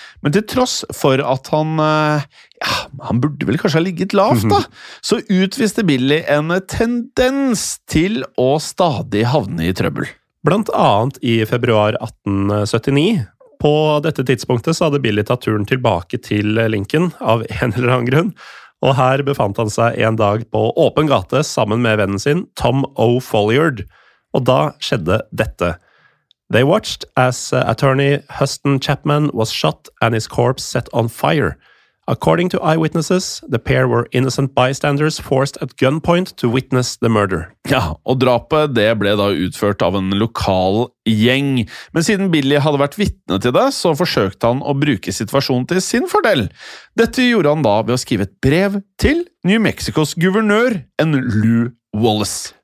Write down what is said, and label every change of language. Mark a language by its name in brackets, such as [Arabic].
[Norwegian] Men til tross for at han, ja, han burde vel kanskje ha ligget lavt da, så utviste Billy en tendens til å stadig havne I trøbbel. Blant annet I februar 1879. På dette tidspunktet så hadde Billy tatt turen tilbake til Lincoln av en eller annen grunn, og her befant han seg en dag på åpen gate sammen med vennen sin, Tom O. Folliard. Og da skjedde dette. [English] They watched as attorney Huston Chapman was shot and his corpse set on fire. According to eyewitnesses, the pair were innocent bystanders forced at gunpoint to witness the murder. [Norwegian] Ja, og drapet det ble da utført av en lokal gjeng. Men siden Billy hadde vært vitne til det, så forsøkte han å bruke situasjonen til sin fordel. Dette gjorde han da ved å skrive et brev til New Mexicos guvernør, en Lou Wallace.